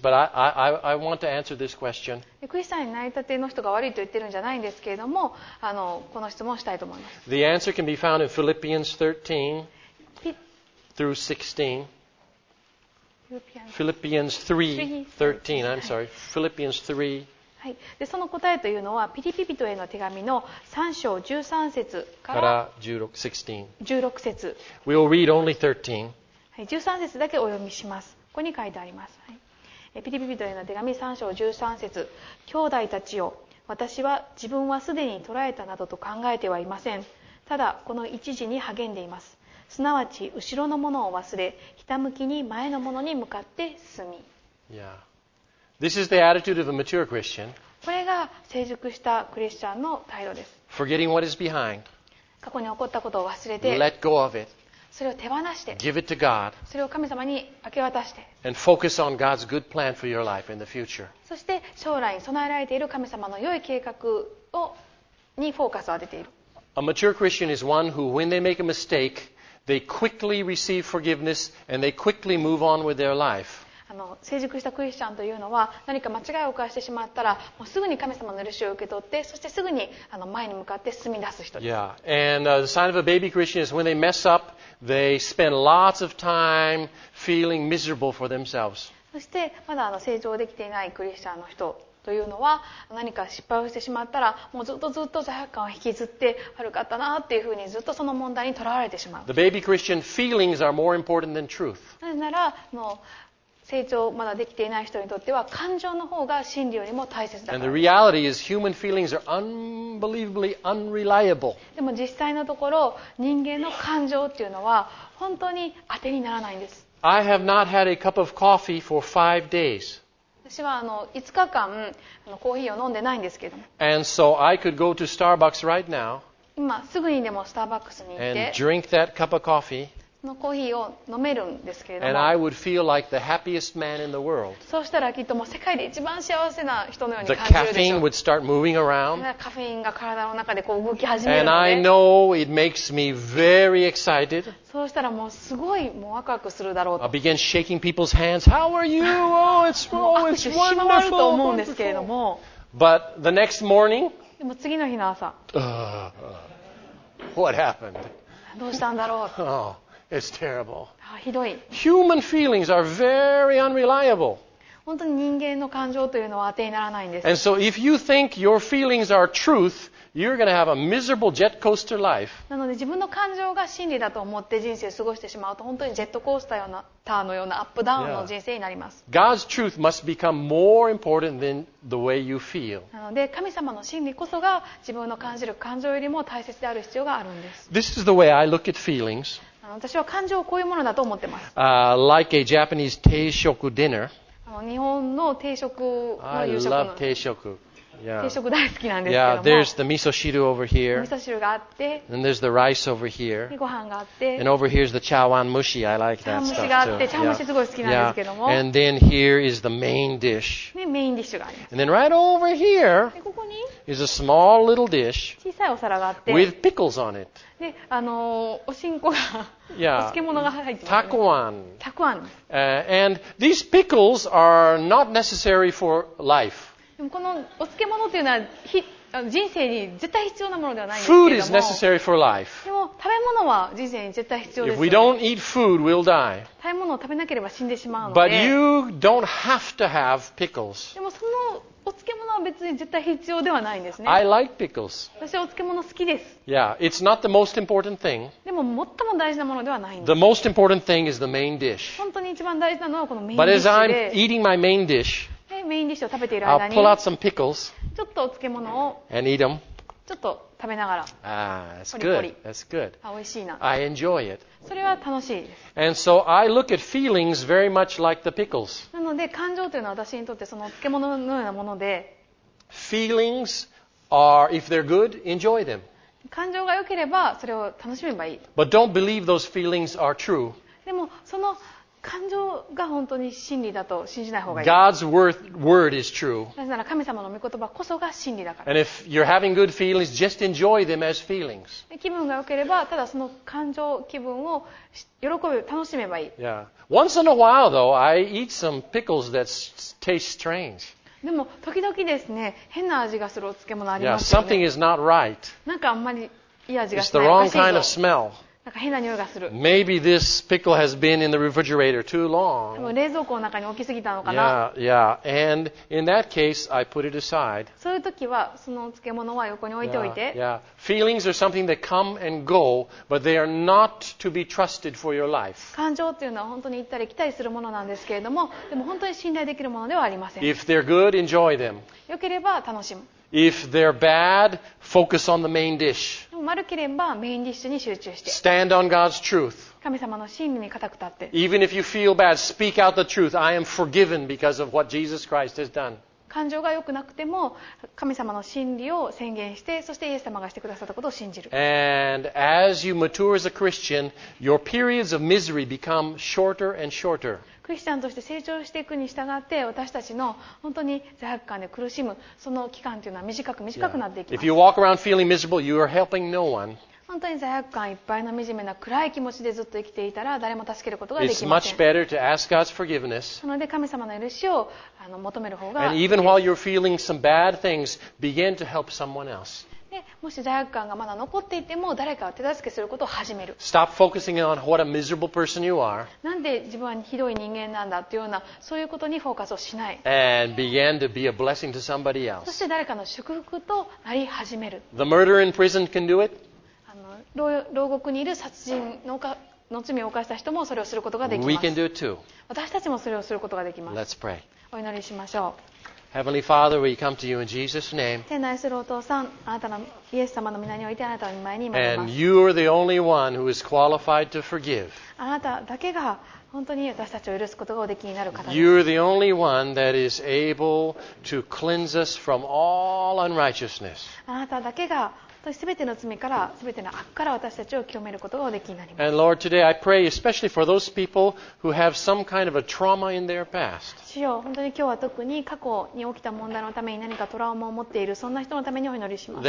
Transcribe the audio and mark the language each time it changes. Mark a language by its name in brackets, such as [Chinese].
[English] I don't intend to offend baby Christians, but I want to answer this question. [Japanese] クリスチャンになりたての人が悪いと言ってるんじゃないんですけれどもこの質問をしたいと思います。 [English] The answer can be found in Philippians 13 through 16. Philippians 3:13. I'm sorry. Philippians 3. [Japanese] はい、でその答えというのはピリピ人への手紙の3章13節から16節。 [English] We'll read only 13. [Japanese] はい、13節だけお読みします。ここに書いてあります。はい、ピリピ人への手紙3章13節。兄弟たちよ、私は自分はすでに捕らえたなどと考えてはいません。ただこの一時に励んでいます。すなわち後ろのものを忘れ、ひたむきに前のものに向かって進み。 [English] Yeah. This is the attitude of a mature Christian. [Japanese] これが成熟したクリスチャンの態度です。 [English] Forgetting what is behind. [Japanese] 過去に起こったことを忘れて、 [English] Let go of it. [Japanese] それを手放して、 [English] Give it to God. [Japanese] それを神様に明け渡して、 [English] And focus on God's good plan for your life in the future. [Japanese] そして将来に備えられている神様の良い計画をにフォーカスを当てている。 [English] A mature Christian is one who, when they make a mistake, they quickly receive forgiveness and they quickly move on with their life. [Japanese] 成熟したクリスチャンというのは何か間違いを犯してしまったらもうすぐに神様の許しを受け取ってそしてすぐに前に向かって進み出す人です。 [English] Yeah. And the sign of a baby Christian is when they mess up, They spend lots of time feeling miserable for themselves. [Japanese] そしてまだ成長できていないクリスチャンの人というのは何か失敗をしてしまったらもうずっとずっと罪悪感を引きずって悪かったなっていうふうにずっとその問題にとらわれてしまう。 [English] The baby Christian feelings are more important than truth. [Japanese] なぜなら成長まだできていない人にとっては感情の方が真理よりも大切だから。 [English] And the reality is human feelings are unbelievably unreliable. [Japanese] でも実際のところ人間の感情っていうのは本当に当てにならないんです。 [English] I have not had a cup of coffee for 5 days. [Japanese] 私は5日間コーヒーを飲んでないんですけど。 [English] And so I could go to Starbucks right now. [Japanese] 今すぐにでもスターバックスに行って。 [English] And drink that cup of coffee. [Japanese] のコーヒーを飲めるんですけれども、 [English] And I would feel like the happiest man in the world. [Japanese] そうしたらきっともう世界で一番幸せな人のように感じるでしょう。 [English] The caffeine would start moving around. [Japanese] カフェインが体の中でこう動き始めるので、 [English] And I know it makes me very excited. [Japanese] そうしたらもうすごいもうワクワクするだろうと。 [English] I begin shaking people's hands. How are you? Oh, it's wonderful. [Japanese] 握手と思うんですけれども、 [English] But the next morning, [Japanese] でも次の日の朝、 [English] What happened? [Japanese] どうしたんだろう。 [English] Oh. It's terrible. [Japanese] ひどい。 [English] Human feelings are very unreliable. [Japanese] 本当に人間の感情というのは当てにならないんです。 [English] And so if you think your feelings are truth, you're going to have a miserable jet coaster life. [Japanese] なので自分の感情が真理だと思って人生を過ごしてしまうと本当にジェットコースターのようなアップダウンの人生になります。 [English] Yeah. God's truth must become more important than the way you feel. [Japanese] なので神様の真理こそが自分の感じる感情よりも大切である必要があるんです。 [English] This is the way I look at feelings. [Japanese] 私は感情をこういうものだと思ってます。 [English] Like a Japanese 定食 dinner. [Japanese] 日本の定食の夕食の。 [English] I love 定食。 Yeah. [Japanese] 定食大好きなんですけども。 [English] Yeah, there's the miso 汁 over here. [Japanese] 味噌汁があって。 [English] And there's the rice over here. [Japanese] ご飯があって。 [English] And over here's the 茶碗蒸し。 I like that stuff too. [Japanese] 茶碗蒸しがあって、茶碗蒸しすごい好きなんですけども。 [English] Yeah. And then here is the main dish. [Japanese] ね、メインディッシュがあります。 [English] And then right over here. [Japanese] ここに。 [English] Is a small little dish. [Japanese] 小さいお皿があって。 [English] With pickles on it. [Japanese] で、おしんこが、 [English] yeah. [Japanese] お漬物が入ってます、ね。たくあん。たくあん。 [English] And these pickles are not necessary for life. [Japanese] でもこのお漬物というのは人生に絶対必要なものではないんですけども。 [English] Food is necessary for life. [Japanese] でも食べ物は人生に絶対必要ですよ、ね。 [English] If we don't eat food, we'll die. [Japanese] 食べ物を食べなければ死んでしまうので。 [English] But you don't have to have pickles. [Japanese] でもそのお漬物は別に絶対必要ではないんですね。 [English] I like pickles. [Japanese] 私はお漬物好きです。 [English] Yeah, it's not the most important thing. [Japanese] でも最も大事なものではないんです。 [English] The most important thing is the main dish. [Japanese] 本当に一番大事なのはこのメインディッシュで。 [English] But as I'm eating my main dish, [Japanese] メインディッシュを食べている間に、 [English] I'll pull out some pickles. [Japanese] ちょっとお漬物を、 [English] and eat them. [Japanese] ちょっと食べながら、 [English] that's good. That's good. [Japanese] あ、美味しいな。 [English] I enjoy it. [Japanese] それは楽しいです。 [English] And so I look at feelings very much like the pickles. [Japanese] なので感情というのは私にとってその漬物のようなもので。 [English] Feelings are, if they're good, enjoy them. [Japanese] 感情が良ければそれを楽しめばいい。 [English] But don't believe those feelings are true. [Japanese] でもその感情が本当に真理だと信じない方がいい。 [English] God's word is true. [Japanese] なぜなら神様の御言葉こそが真理だから。 [English] And if you're having good feelings, just enjoy them as feelings. [Japanese] 気分が良ければ、ただその感情、気分を喜ぶ、楽しめばいい。 [English] Yeah. Once in a while, though, I eat some pickles that taste strange. [Japanese] でも時々ですね、変な味がするお漬物ありますよね。 [English] Yeah, something is not right. [Japanese] なんかあんまりいい味がしない。 [English] It's the wrong kind of smell. [Japanese] なんか変な匂いがする。 [English] Maybe this pickle has been in the refrigerator too long. [Japanese] 冷蔵庫の中に置きすぎたのかな。 [English] Yeah, yeah. And in that case, I put it aside. [Japanese] そういう時はその漬物は横に置いておいて。 [English] Yeah, yeah. Feelings are something that come and go, but they are not to be trusted for your life. [Japanese] 感情というのは本当に行ったり来たりするものなんですけれども、でも本当に信頼できるものではありません。 [English] If they're good, enjoy them. [Japanese] 良ければ楽しむ。 [English] If they're bad, focus on the main dish. [Japanese] 悪ければメインディッシュに集中して。 [English] Stand on God's truth. [Japanese] 神様の真理に固く立って。 [English] Even if you feel bad, speak out the truth. I am forgiven because of what Jesus Christ has done. [Japanese] 感情が良くなくても神様の真理を宣言して、そしてイエス様がしてくださったことを信じる。 [English] And as you mature as a Christian, your periods of misery become shorter and shorter. [Japanese] クリスチャンとして成長していくに従って私たちの本当に罪悪感で苦しむその期間というのは短くなっていきます。 [English] If you walk around feeling miserable, you are helping no one. [Japanese] 本当に罪悪感いっぱいの惨めな暗い気持ちでずっと生きていたら誰も助けることができません。 [English] It's much better to ask God's forgiveness. [Japanese] なので神様の許しを求める方がいいです。 [English] And even while you're feeling some bad things, begin to help someone else. [Japanese] でもし罪悪感がまだ残っていても誰かを手助けすることを始める。 [English] Stop focusing on what a miserable person you are. [Japanese] なんで自分はひどい人間なんだというようなそういうことにフォーカスをしない。 [English] And began to be a blessing to somebody else. [Japanese] そして誰かの祝福となり始める。 [English] The murderer in prison can do it. [Japanese] 牢獄にいる殺人の家の罪を犯した人もそれをすることができます。 [English] We can do it too. [Japanese] 私たちもそれをすることができます。 [English] Let's pray. [Japanese] お祈りしましょう。 [English] Heavenly Father, we come to you in Jesus' name. [Japanese] 天の愛するお父さん、あなたのイエス様の御名においてあなたの前に参ります。 [English] And you are the only one who is qualified to forgive. [Japanese] あなただけが本当に私たちを許すことができになる方です。 [English] You are the only one that is able to cleanse us from all unrighteousness. [Japanese] あなただけが全ての罪から、全ての悪から私たちを清めることができになります。 [English] And Lord, today I pray especially for those people who have some kind of a trauma in their past. [Japanese] 主よ、本当に今日は特に過去に起きた問題のために何かトラウマを持っているそんな人のためにお祈りします。